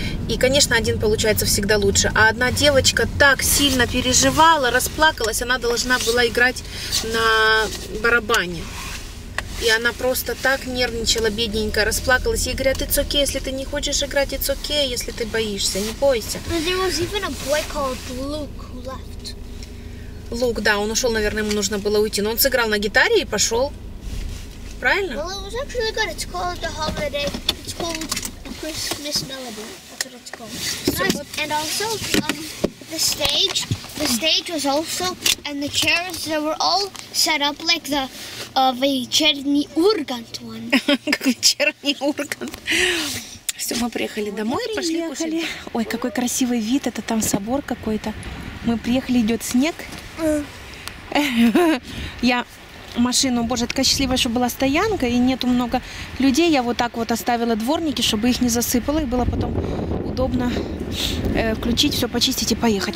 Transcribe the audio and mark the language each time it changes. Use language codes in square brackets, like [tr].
[ru] И, конечно, один получается всегда лучше. А одна девочка так сильно переживала, расплакалась, она должна была играть на барабане. И она просто так нервничала, бедненькая, расплакалась. Ей говорят, it's okay, если ты не хочешь играть, it's okay, если ты боишься, не бойся. [en] There was even a boy called Luke who left. [ru] Лук, да, он ушел, наверное, ему нужно было уйти. Но он сыграл на гитаре и пошел. Правильно? [en] Well, it was actually good. It's called The Holiday. It's called Christmas Melody. That's what it's called. And also, the stage was also, and the chairs, they were all set up like the вечерний Ургант one. [ru] Как вечерний Ургант. Все, мы приехали домой, пошли кушать. Ой, какой красивый вид, это там собор какой-то. Мы приехали, идет снег. Я машину, боже, такая счастливая, что была стоянка и нету много людей. Я вот так вот оставила дворники, чтобы их не засыпало и было потом удобно включить, все почистить и поехать.